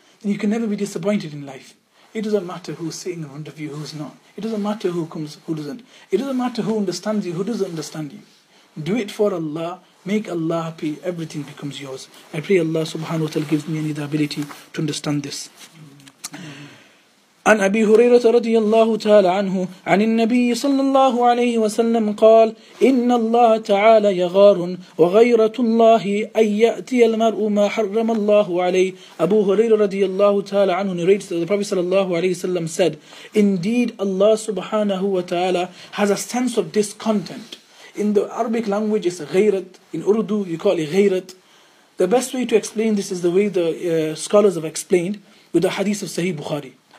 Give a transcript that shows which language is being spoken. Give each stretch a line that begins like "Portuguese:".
English: Then you can never be disappointed in life. It doesn't matter who's sitting in front of you, who's not. It doesn't matter who comes, who doesn't. It doesn't matter who understands you, who doesn't understand you. Do it for Allah. Make Allah happy. Everything becomes yours. I pray Allah subhanahu wa ta'ala gives me any the ability to understand this.
Arabic: عن أبي هريرة رضي الله تعالى عنه عن النبي صلى الله عليه وسلم قال إن الله تعالى يغار وغيرة الله أن يأتي المرء ما حرم الله عليه. أبو هريرة رضي الله تعالى عنه
English: narrates that the Prophet
Arabic: صلى الله عليه وسلم
English: said, indeed Allah subhanahu wa ta'ala has a sense of discontent. In the Arabic language it's غيرت. In Urdu you call it غيرت. The best way to explain this is the way the scholars have explained with the hadith of Sahih Bukhari.